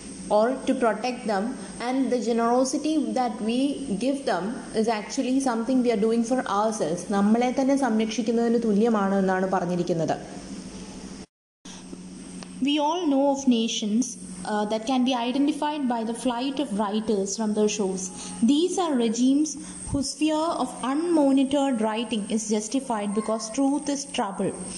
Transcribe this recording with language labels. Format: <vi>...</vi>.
<en>or to protect them, and the generosity that we give them is actually something we are doing for ourselves.</en> <ml>നമ്മളെ തന്നെ സംരക്ഷിക്കുന്നതിന് തുല്യമാണ് എന്നാണ് പറഞ്ഞിരിക്കുന്നത്.</ml> <en>We all know of nations that can be identified by the flight of writers from their shores. These are regimes whose fear of unmonitored writing is justified because truth is trouble.</en>